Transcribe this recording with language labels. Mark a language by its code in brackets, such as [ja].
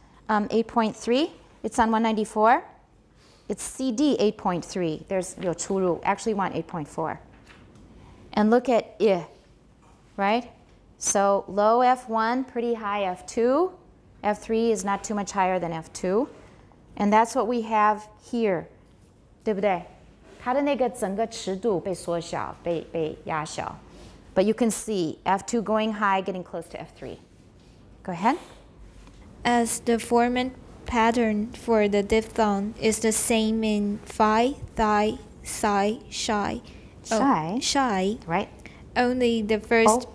[en] 8.3, it's on 194. It's CD 8.3. There's your churu. Actually, want 8.4. And look at I, right? So low F1, pretty high F2. F3 is not too much higher than F2. And that's what we have here. [zh] 对不对? 它的那个整个尺度被缩小,被压小. [en] But you can see F2 going high, getting close to F3. Go ahead. As the formant pattern for the diphthong is the same in phi, thi, psi, shy. Shy. Right. Only the first.